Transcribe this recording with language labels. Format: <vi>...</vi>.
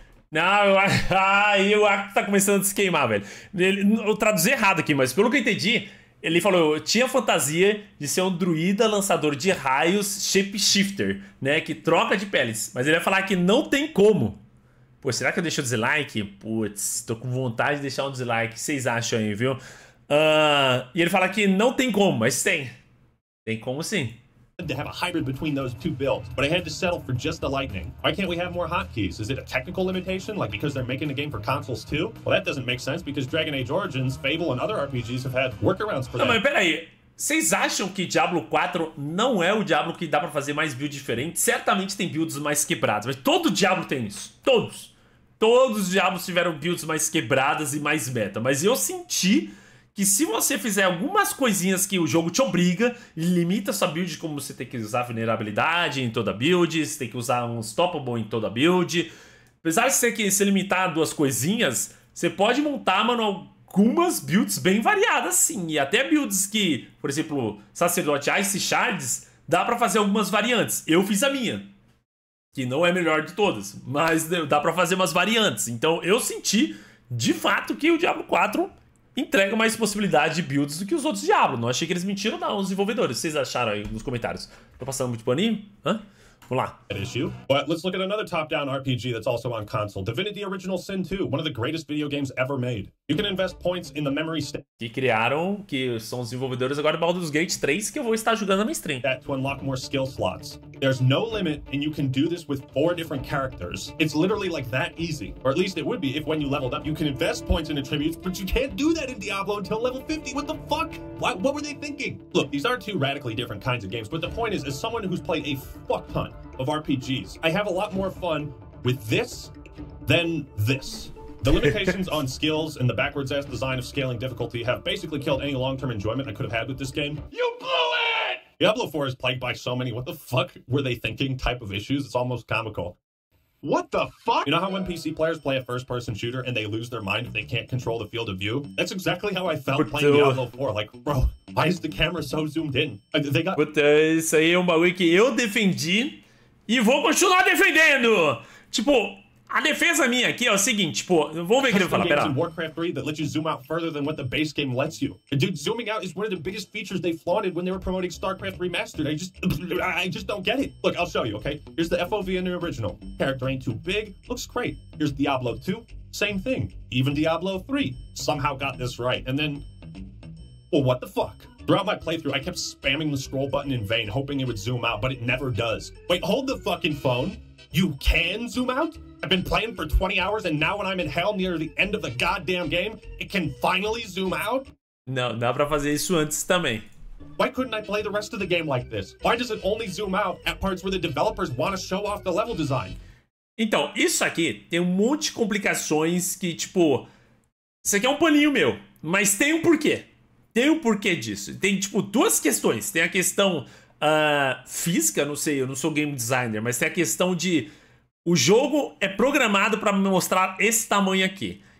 <pt>Não, aí o arco tá começando a se queimar, velho. Eu traduzi errado aqui, mas pelo que eu entendi, ele falou, eu tinha a fantasia de ser um druida lançador de raios shapeshifter, né, que troca de peles. Mas ele vai falar que não tem como. Pô, será que eu deixo o dislike? Putz, tô com vontade de deixar um dislike. O que vocês acham aí, viu? E ele fala que não tem como, mas tem. Tem como sim.</pt> <en>To have a hybrid between those two builds, but I had to settle for just the lightning. Why can't we have more hotkeys? Is it a technical limitation, like because they're making the game for consoles too? Well, that doesn't make sense because Dragon Age Origins, Fable, and other RPGs have had workarounds for that.</en> <pt>Não, mas peraí, vocês acham que Diablo 4 não é o Diablo que dá pra fazer mais build diferente? Certamente tem builds mais quebrados, mas todo Diablo tem isso. Todos. Todos os Diablos tiveram builds mais quebradas e mais meta, mas eu senti que se você fizer algumas coisinhas que o jogo te obriga, limita sua build, como você tem que usar vulnerabilidade em toda build, você tem que usar um stoppable em toda build. Apesar de ser que se limitar a duas coisinhas, você pode montar, mano, algumas builds bem variadas, sim. E até builds que, por exemplo, Sacerdote Ice Shards, dá pra fazer algumas variantes. Eu fiz a minha, que não é a melhor de todas, mas dá pra fazer umas variantes. Então eu senti, de fato, que o Diablo 4 entrega mais possibilidade de builds do que os outros Diablo. Não achei que eles mentiram, não, os desenvolvedores. Vocês acharam aí nos comentários? Tô passando muito paninho? Hã? Vamos lá.</pt> <en>Issue. But let's look at another top-down RPG that's also on console. Divinity Original Sin 2, one of the greatest video games ever made. You can invest points in the memory stack.</en> <pt>Que criaram, que são os desenvolvedores agora de Baldur's Gate 3, que eu vou estar jogando na minha stream.</pt> <en>That to unlock more skill slots. There's no limit, and you can do this with four different characters. It's literally like that easy. Or at least it would be if when you leveled up, you can invest points in attributes, but you can't do that in Diablo until level 50. What the fuck? Why, what were they thinking? Look, these are two radically different kinds of games, but the point is, as someone who's played a fuck ton of RPGs, I have a lot more fun with this than this. The limitations on skills and the backwards-ass design of scaling difficulty have basically killed any long-term enjoyment I could have had with this game. You blew it! Diablo 4 is plagued by so many what the fuck were they thinking type of issues. It's almost comical. What the fuck? You know how when PC players play a first-person shooter and they lose their mind if they can't control the field of view? That's exactly how I felt playing Diablo 4. Like, bro, why is the camera so zoomed in? They got...</en> <pt>But isso aí é um bagulho que eu defendi e vou continuar defendendo! Tipo, a defesa minha aqui é o seguinte, tipo, vamos ver o que ele fala, pera.</pt> <en>Warcraft 3 that let you zoom out further than what the base game lets you. Dude, zooming out is one of the biggest features they flaunted when they were promoting Starcraft Remastered. I just don't get it. Look, I'll show you, okay? Here's the FOV in the original. Character ain't too big, looks great. Here's Diablo 2, same thing. Even Diablo 3 somehow got this right. And then, well, what the fuck? Throughout my playthrough, I kept spamming the scroll button in vain, hoping it would zoom out, but it never does. Wait, hold the fucking phone. You can zoom out? I've been playing for 20 hours, and now when I'm in hell near the end of the goddamn game, it can finally zoom out?</en> <pt>Não, dá pra fazer isso antes também.</pt> <en>Why couldn't I play the rest of the game like this? Why does it only zoom out at parts where the developers want to show off the level design?</en> <pt>Então, isso aqui tem um monte de complicações que, tipo, isso aqui é um paninho meu, mas tem um porquê. Tem um porquê disso. Tem, tipo, duas questões. Tem a questão física, não sei, eu não sou game designer, mas tem a questão de... O jogo é programado pra mostrar esse tamanho aqui.</pt>